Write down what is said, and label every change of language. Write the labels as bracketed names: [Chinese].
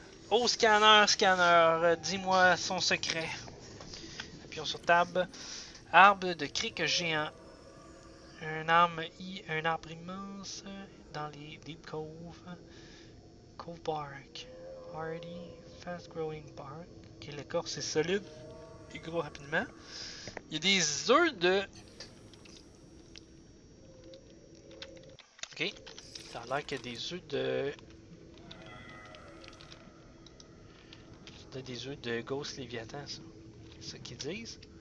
[French] Oh scanner, scanner, dis-moi son secret. Appuyons sur Tab. Arbre de crique géant. Un arbre immense dans les [English] Deep Cove. Cove Bark. Hardy, fast growing bark. [French] Ok, l'écorce est solide et gros rapidement. Il y a des œufs de. Ok, ça a l'air qu'il y a des œufs de. C'est des œufs de Ghost Léviathan, ça. C'est ce qu'ils disent.